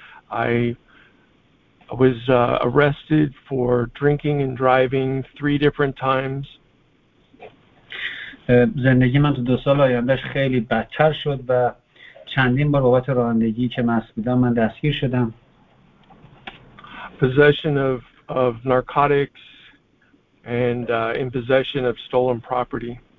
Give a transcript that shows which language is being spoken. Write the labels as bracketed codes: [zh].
[en] I was arrested for drinking and driving 3 different times. [fa] زندگی من تو دو سال آیندهش خیلی بدتر شد و چندین بار بابت رانندگی که مست بودم من دستگیر شدم. [en] Possession of narcotics and in possession of stolen property.